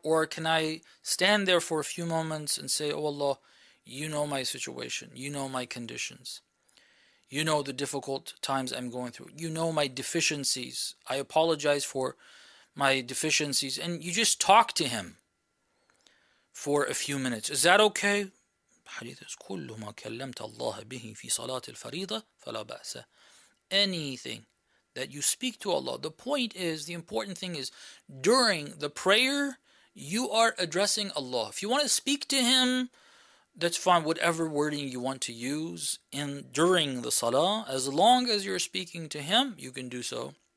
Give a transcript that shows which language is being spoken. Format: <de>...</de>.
<en>Or can I stand there for a few moments and say, oh Allah, you know my situation, you know my conditions, you know the difficult times I'm going through, you know my deficiencies, I apologize for my deficiencies, and you just talk to him for a few minutes. Is that okay? Hadith is,</en> <ar>كُلُّ مَا كَلَّمْتَ اللَّهَ بِهِ فِي صَلَاةِ الْفَرِيضَةِ فَلَا بَأْسَ.</ar> <en>Anything that you speak to Allah. The point is, the important thing is, during the prayer, you are addressing Allah. If you want to speak to him, that's fine, whatever wording you want to use in during the salah, as long as you're speaking to him, you can do so.</en>